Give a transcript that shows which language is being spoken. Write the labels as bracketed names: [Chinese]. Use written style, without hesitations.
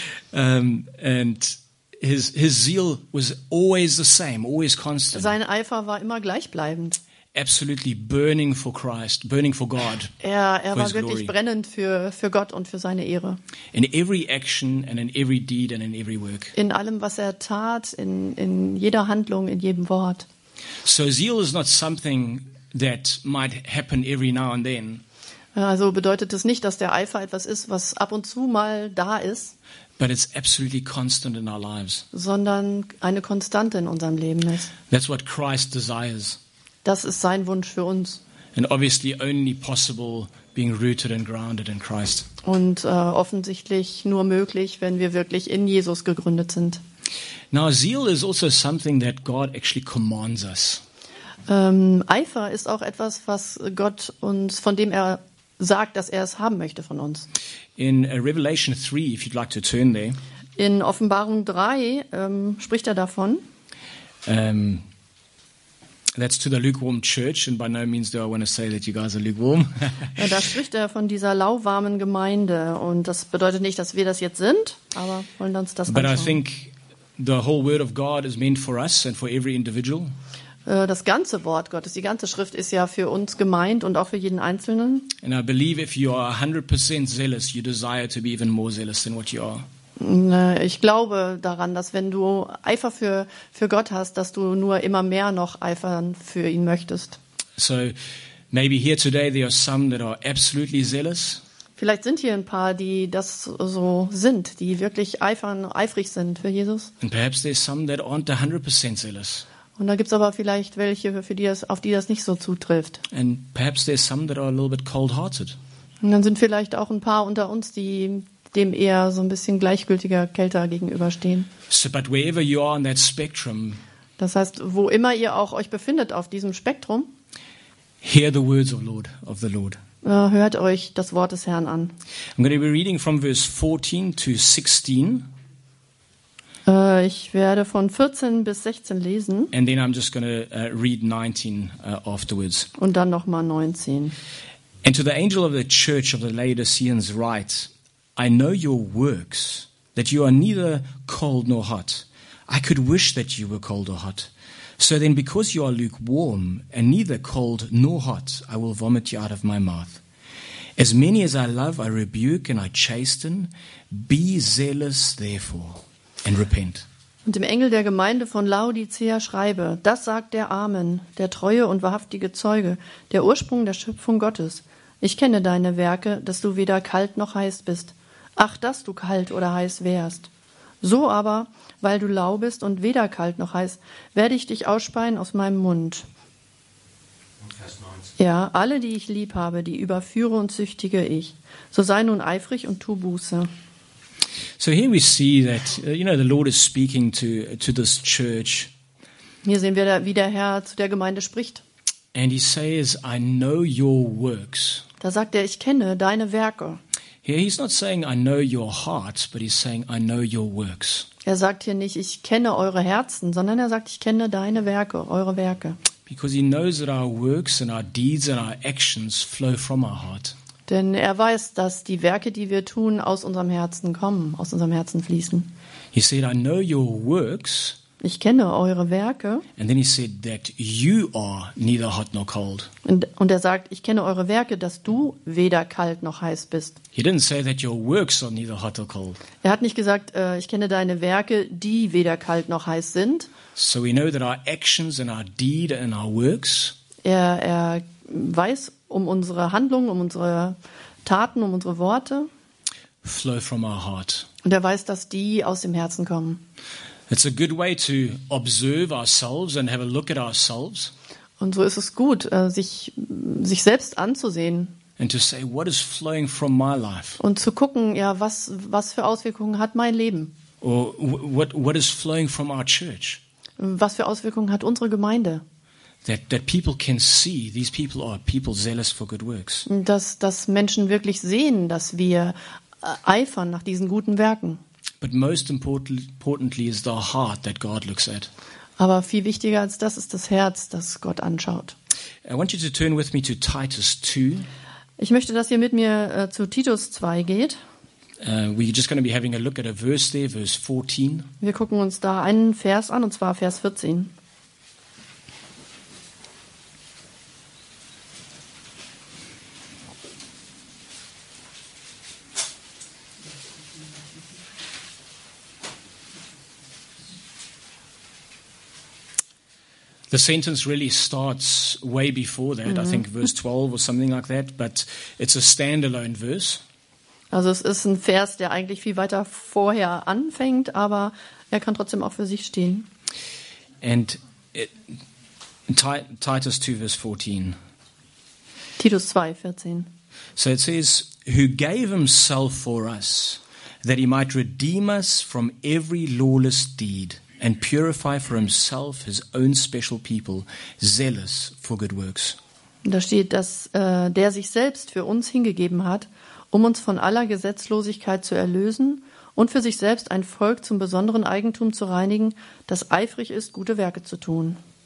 [English] And his zeal was always the same, always constant. [German] Sein Eifer war immer gleichbleibend. [English] Absolutely burning for Christ, burning for God. [German] Er war wirklich brennend für Gott und für seine Ehre. [English] In every action and in every deed and in every work. [German] In allem, was er tat, in jeder Handlung, in jedem Wort. [English] So zeal is not something that might happen every now and then. [German] Also bedeutet es nicht, dass der Eifer etwas ist, was ab und zu mal da ist. [English] But it's absolutely constant in our lives. [German] Sondern eine Konstante in unserem Leben ist. [English] That's what Christ desires. [German] Das ist sein Wunsch für uns. [English] And obviously only possible being rooted and grounded in Christ. [German] Und offensichtlich nur möglich, wenn wir wirklich in Jesus gegründet sind. [English] Now zeal is also something that God actually commands us. [German] Eifer ist auch etwas, was Gott uns, von dem er sagt, dass er es haben möchte von uns. [English] In Revelation 3, if you'd like to turn there. [German] In Offenbarung 3 spricht er davon. [English] That's to the lukewarm church, and by no means do I want to say that you guys are lukewarm. [German] Ja, da spricht er von dieser lauwarmen Gemeinde, und das bedeutet nicht, dass wir das jetzt sind, aber wollen uns das anschauen. [English] But I think the whole word of God is meant for us and for every individual. [German] Das ganze Wort Gottes, die ganze Schrift ist ja für uns gemeint und auch für jeden Einzelnen. [English] And I believe if you are 100% zealous, you desire to be even more zealous than what you are. [German] Ich glaube daran, dass wenn du Eifer für Gott hast, dass du nur immer mehr noch eifern für ihn möchtest. [English] So maybe here today there are some that are absolutely zealous. [German] Vielleicht sind hier ein paar, die das so sind, die wirklich eifrig sind für Jesus. [English] And perhaps there's some that aren't 100% zealous. [German] Und da gibt's aber vielleicht welche, auf die das nicht so zutrifft. [English] And perhaps there's some that are a little bit cold-hearted. [German] Und dann sind vielleicht auch ein paar unter uns, die dem eher so ein bisschen gleichgültiger, kälter gegenüberstehen. [English] So, but wherever you are on that spectrum, [German] das heißt, wo immer ihr auch euch befindet auf diesem Spektrum, [English] hear the words of the Lord. [German] Hört euch das Wort des Herrn an. [English] I'm going to be reading from verse 14 to 16. [German] Ich werde von 14 bis 16 lesen. [English] And then I'm just going to read 19 afterwards. [German] Und dann nochmal 19. [English] And to the angel of the church of the Laodiceans write, I know your works, that you are neither cold nor hot. I could wish that you were cold or hot. So then, because you are lukewarm and neither cold nor hot, I will vomit you out of my mouth. As many as I love, I rebuke and I chasten. Be zealous therefore and repent. [German] Und dem Engel der Gemeinde von Laodicea schreibe, das sagt der Amen, der treue und wahrhaftige Zeuge, der Ursprung der Schöpfung Gottes. Ich kenne deine Werke, dass du weder kalt noch heiß bist. Ach, dass du kalt oder heiß wärst. So aber, weil du lau bist und weder kalt noch heiß, werde ich dich ausspeien aus meinem Mund. Ja, alle, die ich lieb habe, die überführe und züchtige ich. So sei nun eifrig und tu Buße. [English] So here we see that, you know, the Lord is speaking to this church. [German] Hier sehen wir, da, wie der Herr zu der Gemeinde spricht. [English] And he says, I know your works. [German] Da sagt er, ich kenne deine Werke. [English] Here he's not saying, I know your hearts, but he's saying, I know your works. [German] Er sagt hier nicht, ich kenne eure Herzen, sondern er sagt, ich kenne deine Werke, eure Werke. [English] Because he knows that our works and our deeds and our actions flow from our heart. [German] Denn er weiß, dass die Werke, die wir tun, aus unserem Herzen kommen, aus unserem Herzen fließen. [English] He said, I know your works. [German] Ich kenne eure Werke. [English] And then he said that you are neither hot nor cold. [German] Und er sagt, ich kenne eure Werke, dass du weder kalt noch heiß bist. [English] He didn't say that your works are neither hot or cold. [German] Er hat nicht gesagt, ich kenne deine Werke, die weder kalt noch heiß sind. [English] So we know that our actions and our deed and our works. [German] Er weiß um unsere Handlungen, um unsere Taten, um unsere Worte. [English] Flow from our heart. [German] Und er weiß, dass die aus dem Herzen kommen. [English] It's a good way to observe ourselves and have a look at ourselves. [German] Und so ist es gut, sich selbst anzusehen. [English] And to say, what is flowing from my life? [German] Und zu gucken, ja, was für Auswirkungen hat mein Leben? [English] Or what is flowing from our church? [German] Was für Auswirkungen hat unsere Gemeinde? [English] That people can see, these people are people zealous for good works. [German] Dass Menschen wirklich sehen, dass wir eifern nach diesen guten Werken. [English] But most importantly is the heart that God looks at. [German] Aber viel wichtiger als das ist das Herz, das Gott anschaut. [English] I want you to turn with me to Titus 2. [German] Ich möchte, dass ihr mit mir zu Titus 2 geht. [English] We're just going to be having a look at a verse there, verse 14. [German] Wir gucken uns da einen Vers an, und zwar Vers 14. [English] The sentence really starts way before that, mm-hmm. I think verse 12 or something like that, but it's a standalone verse. [German] Also es ist ein Vers, der eigentlich viel weiter vorher anfängt, aber er kann trotzdem auch für sich stehen. [English] And Titus 2 verse 14. [German] Titus 2, 14. [English] So it says, who gave himself for us, that he might redeem us from every lawless deed. And purify for himself his own special people, zealous for good works. [German] Da steht, dass der sich selbst für uns hingegeben hat, um uns von aller Gesetzlosigkeit zu erlösen und für sich selbst ein Volk zum besonderen Eigentum zu reinigen, das eifrig ist, gute Werke zu tun.